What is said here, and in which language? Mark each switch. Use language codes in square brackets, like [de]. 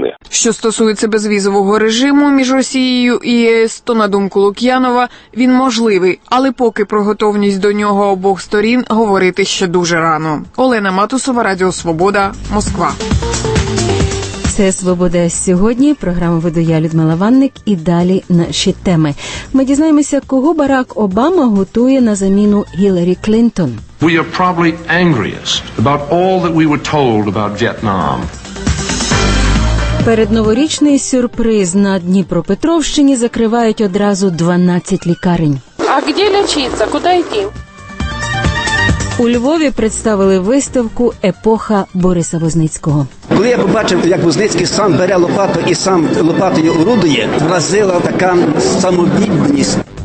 [uk] Що стосується безвізового режиму між Росією і ЄС, то, на думку Лук'янова, він можливий, але поки про готовність до нього обох сторін говорити ще дуже рано. Олена Матусова, Радіо Свобода, Москва. Це «Свобода сьогодні», програму веду я, Людмила Ванник, і далі наші теми. Ми дізнаємося, кого Барак Обама готує на заміну Гіларі Клінтон. [en] We are probably angriest about all that we were told about Vietnam. [uk] Передноворічний сюрприз. На Дніпропетровщині закривають одразу 12 лікарень. А де лечиться? Куди йти? У Львові представили виставку «Епоха Бориса Возницького». Коли я побачив, як Возницький сам бере лопату і сам лопатою орудує, вразила така самовідданість.